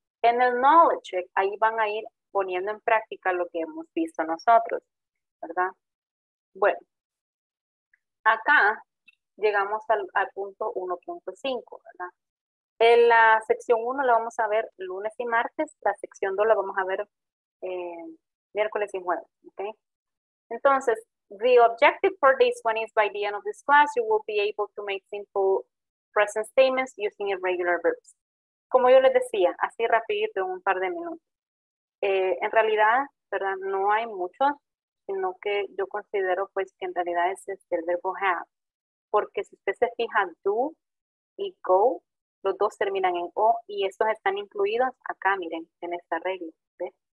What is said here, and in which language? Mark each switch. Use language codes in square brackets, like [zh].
[es] En el knowledge check, ahí van a ir poniendo en práctica lo que hemos visto nosotros, ¿verdad? Bueno, acá llegamos al punto 1.5, ¿verdad? En la sección 1 la vamos a ver lunes y martes. La sección 2 la vamos a ver miércoles y jueves. [en] Okay? Entonces, the objective for this one is by the end of this class, you will be able to make simple present statements using irregular verbs. [es] Como yo les decía, así rapidito, un par de minutos. En realidad, ¿verdad? No hay muchos, sino que yo considero pues, que en realidad es el verbo have. Porque si usted se fija, do y go, los dos terminan en O y estos están incluidos acá, miren, en esta regla, ¿ves?